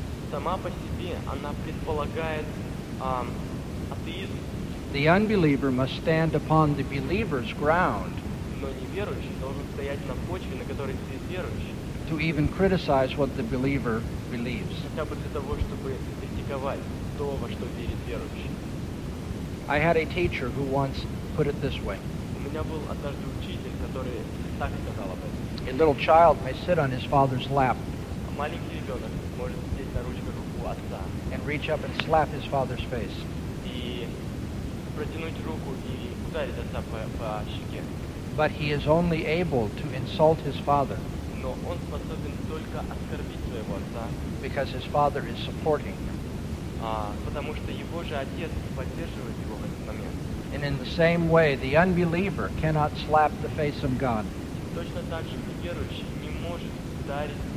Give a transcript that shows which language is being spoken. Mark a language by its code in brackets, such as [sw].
[ru] Сама по себе она предполагает атеизм. [en] The unbeliever must stand upon the believer's ground. [ru] Но неверующий должен стоять на почве, на которой стоит верующий. [en] To even criticize what the believer believes. [ru] Хотя бы для того, чтобы критиковать то, во что верит верующий. [en] I had a teacher who once put it this way. [ru] У меня был однажды учитель, который так сказал об этом. [en] A little child may sit on his father's lap. [ru] Маленький ребенок может сидеть на ручках у отца. [en] And reach up and slap his father's face. [ru] И протянуть руку и ударить отца по щеке. [en] But he is only able to insult his father. [ru] Но он способен только оскорбить своего отца. [en] Because his father is supporting him. [ru] Потому что его же отец поддерживает его в этот момент. [en] And in the same way, the unbeliever cannot slap the face of God. [ru] Точно так же неверующий не может ударить